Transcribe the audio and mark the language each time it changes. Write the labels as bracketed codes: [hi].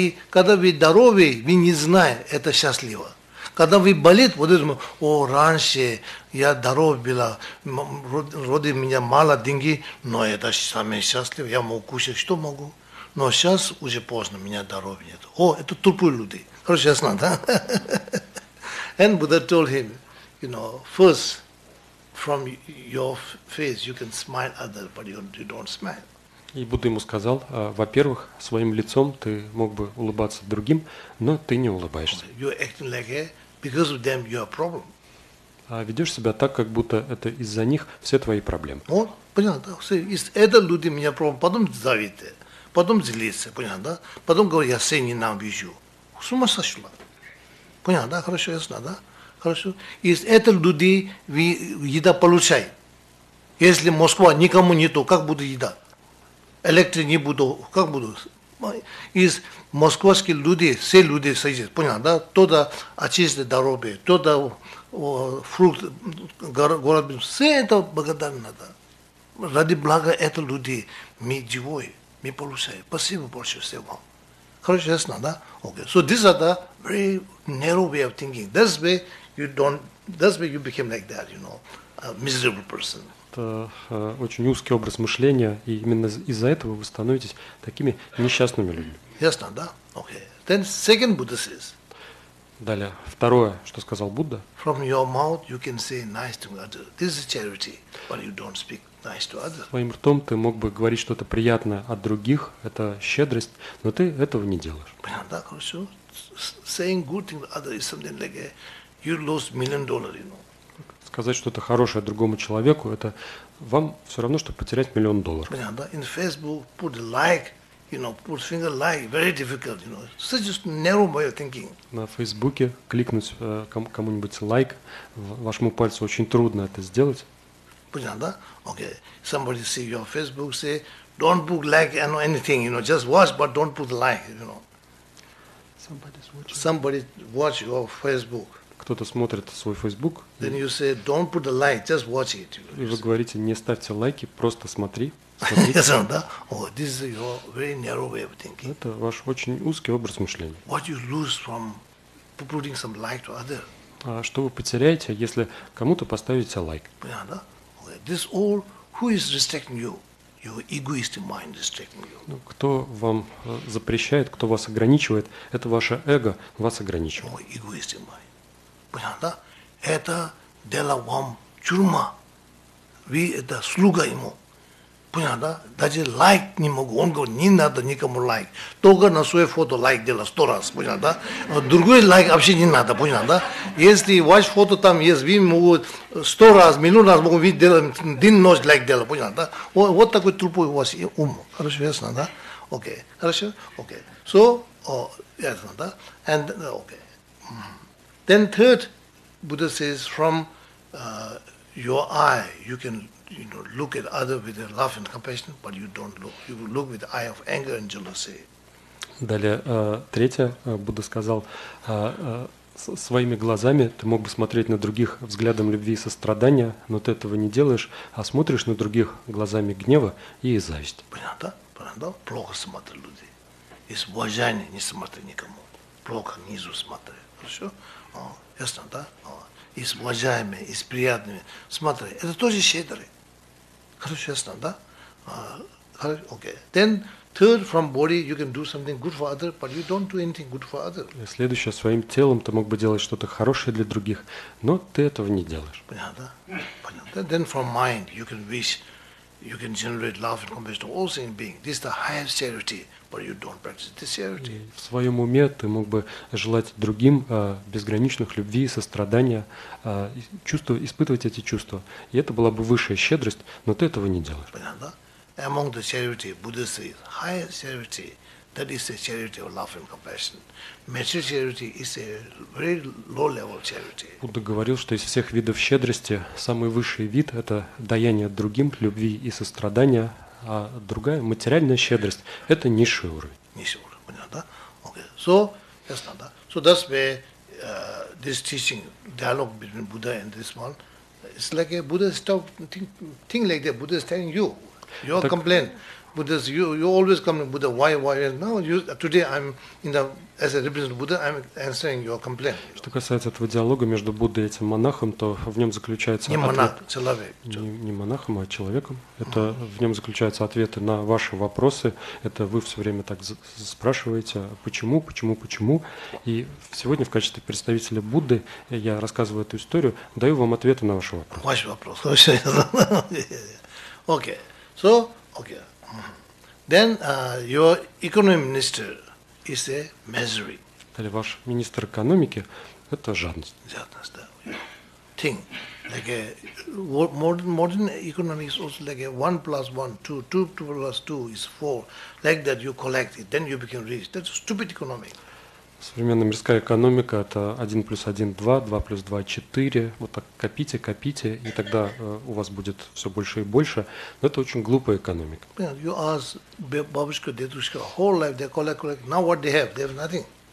[ru] Когда вы здоровый, вы не знаете, это счастливо. Когда вы болит, вот я думаю, о, раньше я здоровый был, вроде у меня мало деньги, но это самое счастливое, я могу кушать, что могу. Но сейчас уже поздно, у меня здоровья нет. О, это тупые люди. Короче, ясно, да? [en] And Buddha told him, you know, first, from your face you can smile at others, but you don't smile. [ru] И Будда ему сказал: во-первых, своим лицом ты мог бы улыбаться другим, но ты не улыбаешься. [en] You're acting like a, because of them you're a problem. [ru] А ведешь себя так, как будто это из-за них все твои проблемы. Вот, понятно, да? Все, это люди меня проблемы, потом завидят, потом злится, понятно, да? Потом говорят, я все ненавижу. С ума сошла. Понятно, да? Хорошо, ясно, да? Хорошо. Если это люди, вы еда получаете. Если Москва никому не то, как будет еда? Электрики не буду, как буду? Из московских людей, все люди сойдут, понял, да? Туда очистили дороги, туда фрукт, город, все это благодарны надо. Ради блага это люди, мы живые, мы получаем. Спасибо больше всего. Хорошо, ясно, да? Okay. [en] So this is the very narrow way of thinking. That's way you don't, that's way you became like that, you know, a miserable person. [ru] Очень узкий образ мышления, и именно из-за этого вы становитесь такими несчастными людьми. Ясно, да? [en] Okay. Then second Buddha says. [ru] Далее, второе, что сказал Будда. [en] From your mouth you can say nice to others. This is charity, but you don't speak nice to others. [ru] Своим ртом ты мог бы говорить что-то приятное от других, это щедрость, но ты этого не делаешь. Понятно, да, хорошо. [en] Saying good things to others is something like a, you lost $1 million, you know. [ru] Сказать что-то хорошее другому человеку, это вам все равно, что потерять $1 million. Понятно, да? [en] In Facebook, put like, you know, put finger like, very difficult, you know. So just narrow way of thinking. [ru] На Фейсбуке кликнуть кому-нибудь лайк, вашему пальцу очень трудно это сделать. Понятно, да? Okay. [en] Somebody see your Facebook, say, don't put like and anything, you know, just watch, but don't put like, you know. Somebody's watching. Somebody watch your Facebook. [ru] Кто-то смотрит свой Facebook. [en] Then you say, don't put a like, just watch it. [ru] И вы говорите, не ставьте лайки, просто смотри. [en] Yes, да? Oh, this is your very narrow way of thinking. [ru] Это ваш очень узкий образ мышления. [en] What you lose from putting some like to other? [ru] А что вы потеряете, если кому-то поставите лайк? Понятно, да? [en] Okay. This all, who is restricting you? Your egoistic mind restricting you. [ru] Ну, кто вам запрещает, кто вас ограничивает? Это ваше эго вас ограничивает. [en] Oh, egoistic mind. [ru] Понятно, да? Это дело вам тюрьма. Вы это слуга ему. Понятно, да? Даже лайк не могу. Он говорит, не надо никому лайк. Только на свое фото лайк делать 100 раз. Понятно, да? Другой лайк вообще не надо. Понятно, да? Если ваше фото там есть, вы могу 100 раз, 1 000 раз могу видеть, делать день ночь лайк делать. Понятно, да? Вот такой тупой у вас ум. Хорошо, ясно, да? Окей. Хорошо? Окей. [en] So, [ru] ясно, да? [en] And, okay. Then third, Buddha says, from your eye, you can, you know, look at other with love and compassion, but you don't look. You will look with the eye of anger and jealousy. [ru] Далее третье, Будда сказал, своими глазами ты мог бы смотреть на других взглядом любви и сострадания, но ты этого не делаешь, а смотришь на других глазами гнева и зависть. Понятно? Понятно? Плохо смотрят люди. Из уважения не смотрят никому. Плохо внизу смотрят. Хорошо? О, ясно, да? И с уважаемыми, и с приятными. Смотри, это тоже щедрый. Хорошо, ясно, да? Хорошо, окей. [en] Then, third, from body, you can do something good for others, but you don't do anything good for others. [ru] Следующее, своим телом ты мог бы делать что-то хорошее для других, но ты этого не делаешь. Понятно, да? Понятно. [en] Then, from mind, you can wish, you can generate love and compassion to all sentient beings. This is the highest charity. But you don't practice this charity. [ru] В своем уме ты мог бы желать другим безграничных любви и сострадания, чувствовать, испытывать эти чувства. И это была бы высшая щедрость, но ты этого не делаешь. [en] Понятно? Among the charity, Buddhist is higher charity. That is the charity of love and compassion. Material charity is a very low level charity. [ru] Будда говорил, что из всех видов щедрости самый высший вид – это даяние другим любви и сострадания. А другая материальная щедрость – это низший уровень. Низший уровень, понятно, да? [en] Okay. So, yes, not, да? So that's where this teaching, dialogue between Buddha and this one, it's like a Buddha's talk, thing like that. Buddha's telling you, your так, complaint. Buddha's, you always come to Buddha, why? And now, today I'm in the, as a representative of Buddha, I'm answering your complaint. [ru] Что касается этого диалога между Буддой и этим монахом, то в нем заключается не ответ... Монах, человек. Не монахом, а человеком. Это в нем заключаются ответы на ваши вопросы. Это вы все время так спрашиваете, почему. И сегодня в качестве представителя Будды я рассказываю эту историю, даю вам ответы на ваши вопросы. Ваш вопрос. Окей. So, окей. [en] Then your economy minister is a misery. [ru] Далее ваш министр экономики – это жадность. Жадность, да. [en] Thing, like a modern economy is also like a 1 + 1 = 2, 2 + 2 = 4. Like that you collect it, then you become rich. That's a stupid economy. [ru] Современная мирская экономика – это 1 + 1 = 2, 2 + 2 = 4. Вот так копите, и тогда у вас будет все больше и больше. Но это очень глупая экономика. [en] You ask [ru] бабушка, дедушка, [en] whole life they collect. Now what they have? They have nothing.